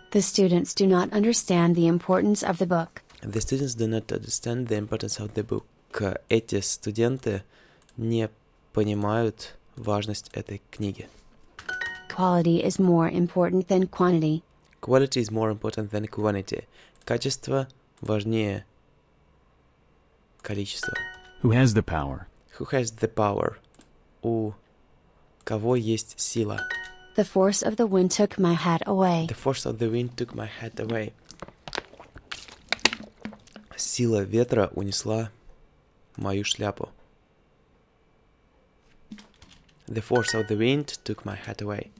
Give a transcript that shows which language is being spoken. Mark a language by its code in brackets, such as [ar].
[en] The students do not understand the importance of the book. The students do not understand the importance of the book. [ru] Эти студенты не понимают важность этой книги. [en] Quality is more important than quantity. Quality is more important than quantity. [ru] Качество важнее количества. [en] Who has the power? Who has the power? [ru] У кого есть сила? [en] The force of the wind took my hat away. The force of the wind took my hat away. [ru] Сила ветра унесла мою шляпу. [en] The force of the wind took my hat away.